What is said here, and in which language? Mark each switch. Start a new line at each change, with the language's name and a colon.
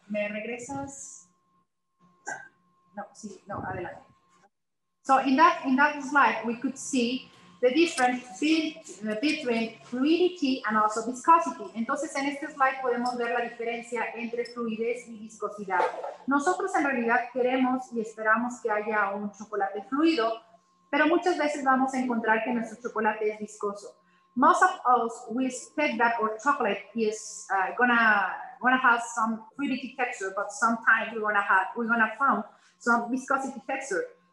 Spanish: ¿Me regresas? No, sí, no, adelante.
English: So in that slide, we could see the difference between fluidity and also viscosity.
Spanish: Entonces, en este slide podemos ver la diferencia entre fluidez y viscosidad. Nosotros en realidad queremos y esperamos que haya un chocolate fluido, pero muchas veces vamos a encontrar que nuestro chocolate es viscoso.
English: Most of us, we expect that our chocolate is gonna have some fluidity texture, but sometimes we're gonna find some viscosity texture.